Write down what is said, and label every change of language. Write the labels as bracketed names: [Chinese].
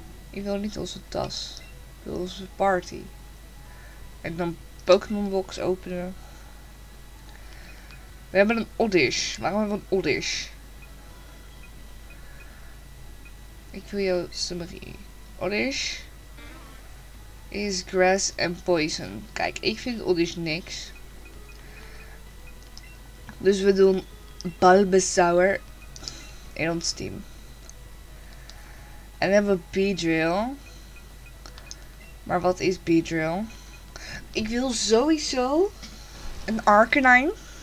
[Dutch] Ik wil niet onze tas. Ik wil onze party. En dan... Pokémon box openen. We hebben een Oddish. Waarom hebben we een Oddish? Ik wil jou summary. [English] Oddish is grass and poison. [Dutch] Kijk, ik vind Oddish niks. Dus we doen Bulbasaur in ons team. En dan hebben we Beedrill. Maar wat is Beedrill? Ik wil sowieso een Arcanine.